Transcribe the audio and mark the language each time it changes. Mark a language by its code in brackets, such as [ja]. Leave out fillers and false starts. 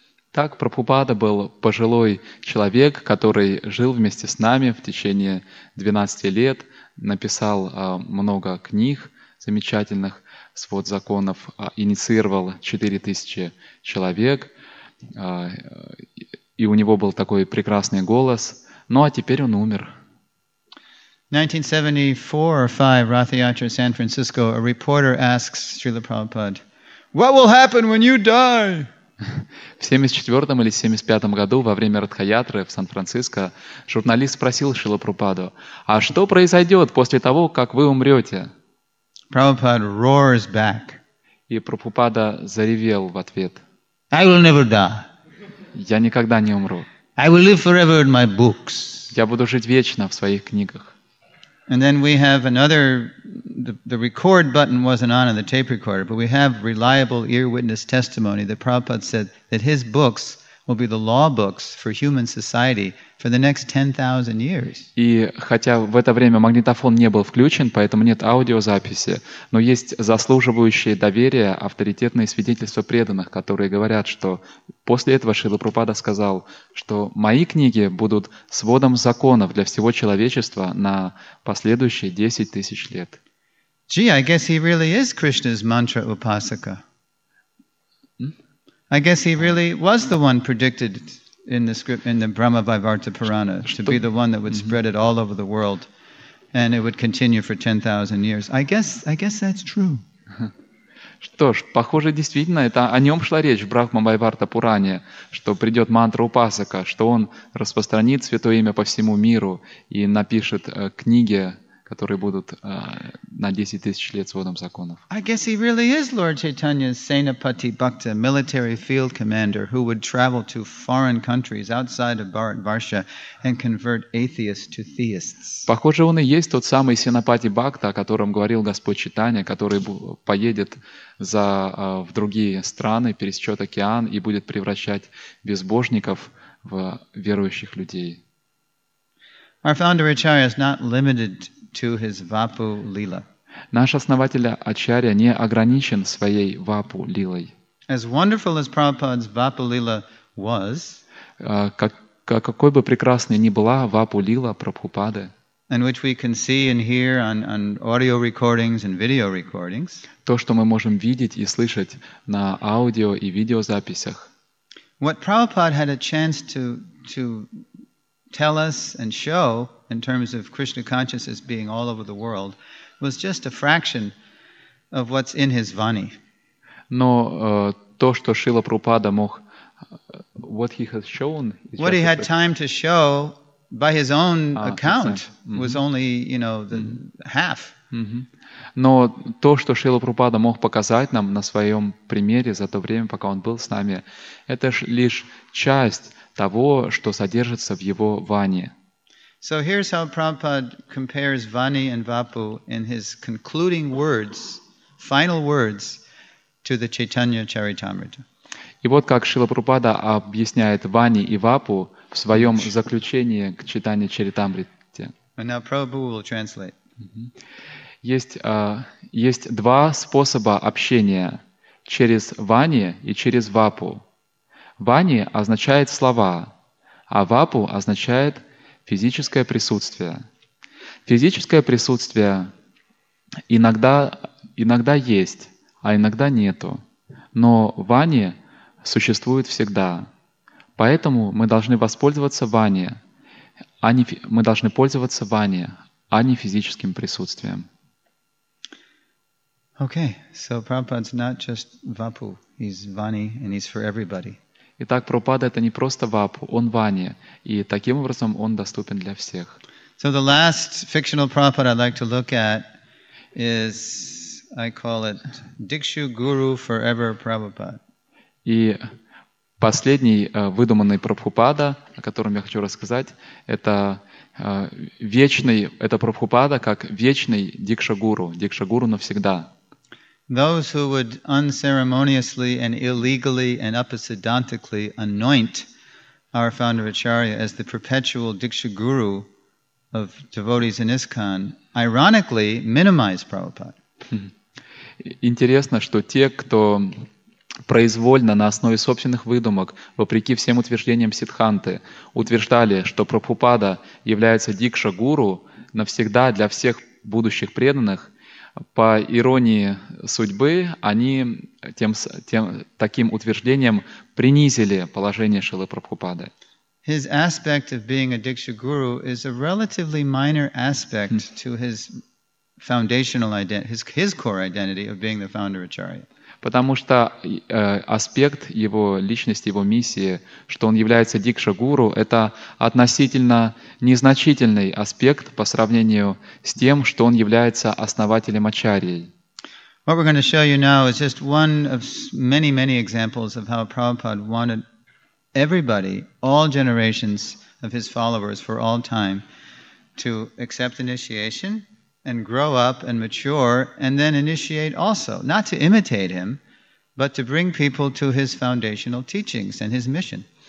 [ru] Так Прабхупада был пожилой человек, который жил вместе с нами в течение 12 лет, написал много книг замечательных, свод законов, инициировал 4000 человек, и у него был такой прекрасный голос. Ну а теперь он умер. [en] 1974-5, Rathayatra, San Francisco, a reporter asks Srila Prabhupada, "What will happen when you die?" [ru] В 1974 или 1975 году, во время Радхаятры в Сан-Франциско, журналист спросил Шрилу Прабхупаду, «А что произойдет после того, как вы умрете?» [en] Prabhupada roars back. [ru] И Прабхупада заревел в ответ. [en] I will never die. [ru] «Я никогда не умру». [en] I will live forever in my books. [ru] «Я буду жить вечно в своих книгах». [en] And then we have another, the record button wasn't on the tape recorder, but we have reliable ear witness testimony that Prabhupada said that his books will be the law books for human society for the next 10,000 years. [ru] И хотя в это время магнитофон не был включен, поэтому нет аудиозаписи, но есть заслуживающие доверия авторитетные свидетельства преданных, которые говорят, что после этого Шрила Прабхупада сказал, что мои книги будут сводом законов для всего человечества на последующие 10 тысяч лет. [en] Gee, I guess he really is Krishna's mantra upasaka. I guess he really was the one predicted in the script in the Brahma Vaivarta Purana to be the one that would spread it all over the world, and it would continue for 10,000 years. I guess that's true. [ru] Что ж, похоже, действительно, это о нем шла речь в Брахма Вайварта Пуране, что придет мантра Упасака, что он распространит святое имя по всему миру и напишет книги, которые будут на 10 тысяч лет сводом законов. [en] I guess he really is Lord Chaitanya's Senapati Bhakta, military field commander, who would travel to foreign countries outside of Bharat Varsha and convert atheists to theists. [ru] Похоже, он и есть тот самый Сенапати Бхакта, о котором говорил Господь Чайтанья, который поедет за, в другие страны, пересечет океан и будет превращать безбожников в верующих людей. [en] Our founder Acharya is not limited to his Vapu Lila. [ru] Наш основатель Ачарья не ограничен своей Вапу Лилой. [en] As wonderful as Prabhupada's Vapu Lila was, [ru] какой бы прекрасной ни была Вапу Лила Прабхупады, [en] and which we can see and hear on audio recordings and video recordings, [ru] то, что мы можем видеть и слышать на аудио и видеозаписях, [en] what Prabhupada had a chance to tell us and show in terms of Krishna consciousness being all over the world was just a fraction of what's in his vani. [ru] Но то, что Шрила Прабхупада мог, [en] what he has shown, what he had time to show by his own account was only, you know, the half. [ru] Но то, что Шрила Прабхупада мог показать нам на своем примере за то время, пока он был с нами, это ж лишь часть того, что содержится в его ване. [en] So here's how Prabhupada compares vani and vapu in his concluding words, final words to the Chaitanya Charitamrita. [ru] И вот как Шрила Прабхупада объясняет вани и вапу в своем заключении к Чайтанья Чаритамрите. [en] And now Prabhupada will translate. [ru] Есть два способа общения: через вани и через вапу. Вани означает слова, а вапу означает физическое присутствие. Физическое присутствие иногда есть, а иногда нету. Но вани существует всегда. Поэтому мы должны воспользоваться вани, мы должны пользоваться вани, а не физическим присутствием. [en] Okay, so Prabhupada's not just vapu, he's vani and he's for everybody. [ru] Итак, Прабхупада — это не просто вапу, он вани, и таким образом он доступен для всех. [en] So the last fictional Prabhupada I'd like to look at is, I call it, Dikshu Guru Forever Prabhupada. [ru] И последний выдуманный Прабхупада, о котором я хочу рассказать, это вечный, это Прабхупада как вечный Дикша-гуру, Дикша-гуру навсегда. [en] Those who would unceremoniously and illegally and upasiddhantically anoint our founder Acharya as the perpetual Diksha Guru of devotees in ISKCON, ironically minimize Prabhupada. [ru] Интересно, что те, кто произвольно на основе собственных выдумок, вопреки всем утверждениям Сиддханты, утверждали, что Прабхупада является Дикша Гуру навсегда для всех будущих преданных, по иронии судьбы, они таким утверждением принизили положение Шрилы Прабхупады. [en] His aspect of being a Diksha Guru is a relatively minor aspect to his foundational identity, his core identity of being the founder Acharya. [ru] Потому что аспект его личности, его миссии, что он является Дикша Гуру, это относительно незначительный аспект по сравнению с тем, что он является основателем Ачарьей. [en] What we're going to show you now is just one of many, many examples of how Prabhupada wanted everybody, all generations of his followers for all time, to accept initiation and grow up and mature and then initiate also, not to imitate him, but to bring people to his foundational teachings and his mission.